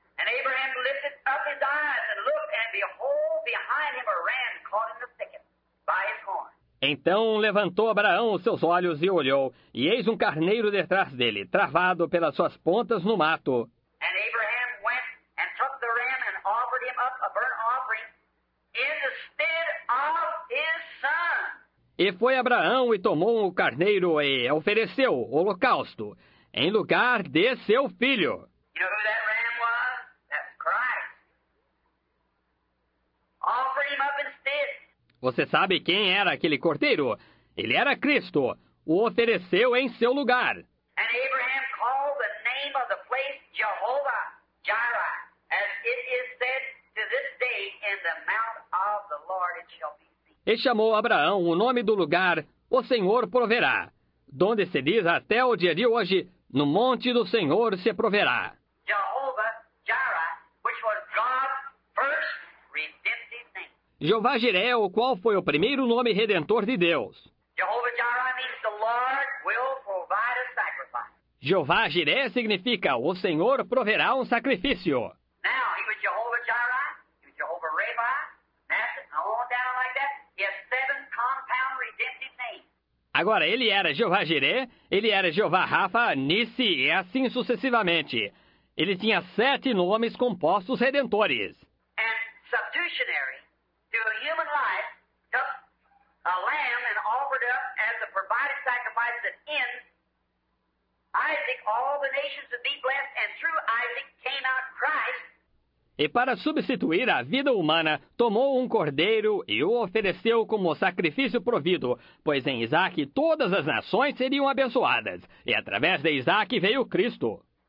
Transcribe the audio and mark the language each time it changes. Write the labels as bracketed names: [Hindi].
[English] And Abraham lifted up his eyes and looked, and behold, behind him a ram caught in the thicket by his horn. [Portuguese] Então levantou Abraão os seus olhos e olhou, e eis um carneiro detrás dele, travado pelas suas pontas no mato. [English] And Abraham went and took the ram and offered him up a burnt offering in the stead of his son. [Portuguese] E foi Abraão e tomou o carneiro e ofereceu o holocausto. Em lugar de seu filho. [English] You know who that ram was? That's Christ. Offer him up instead. [Portuguese] Você sabe quem era aquele cordeiro? Ele era Cristo. O ofereceu em seu lugar. [English] And Abraham called the name of the place Jehovah Jireh, as it is said to this day in the mouth of the Lord it shall be seen. [Portuguese] E chamou Abraão o nome do lugar, o Senhor proverá, donde se diz até o dia de hoje, no monte do Senhor se proverá. [English] Jehovah Jireh, which was God's first redemptive name. [Portuguese] Jeová Jiré, o qual foi o primeiro nome redentor de Deus. [English] Jehovah Jireh means the Lord will provide a sacrifice. [Portuguese] Jeová Jiré significa o Senhor proverá um sacrifício. [English] Now, he was Jehovah Jireh, he was Jehovah Rapha, Nasser, all down like that. He has seven compound redemptive names. [Portuguese] Agora, ele era Jeová Jiré, ele era Jeová Rafa, Nissi e assim sucessivamente. Ele tinha sete nomes compostos redentores. [English] And substitutionary to a human life took a lamb and offered up as a provided sacrifice that in Isaac all the nations would be blessed and through Isaac came out Christ. [Portuguese] E para substituir a vida humana, tomou um cordeiro e o ofereceu como sacrifício provido, pois em Isaac todas as nações seriam abençoadas. E através de Isaac veio Cristo.